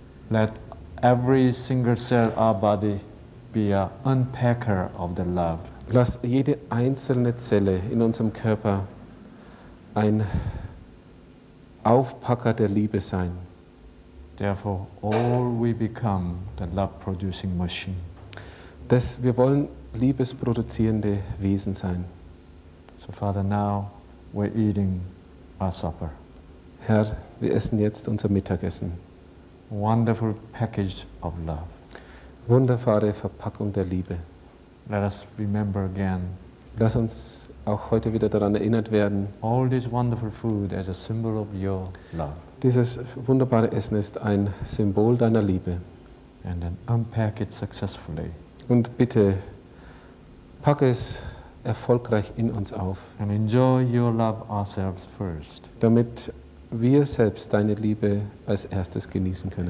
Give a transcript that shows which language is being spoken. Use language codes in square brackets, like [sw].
[en] Let every single cell of our body be an unpacker of the love. [de] Lass jede einzelne Zelle in unserem Körper ein Aufpacker der Liebe sein. [en] Therefore, all we become the love-producing machine. [de] Wir wollen liebesproduzierende Wesen sein. [en] So, Father, now we're eating our supper. [de] Herr, wir essen jetzt unser Mittagessen. [en] Wonderful package of love. [de] Wunderbare Verpackung der Liebe. [en] Let us remember again. [de] Lass uns auch heute wieder daran erinnert werden. [en] All this wonderful food as a symbol of your love. [de] Dieses wunderbare Essen ist ein Symbol deiner Liebe. [en] And then unpack it successfully. [de] Und bitte pack es erfolgreich in uns auf. [en] And enjoy your love ourselves first. [de] Damit wir selbst deine Liebe als erstes genießen können.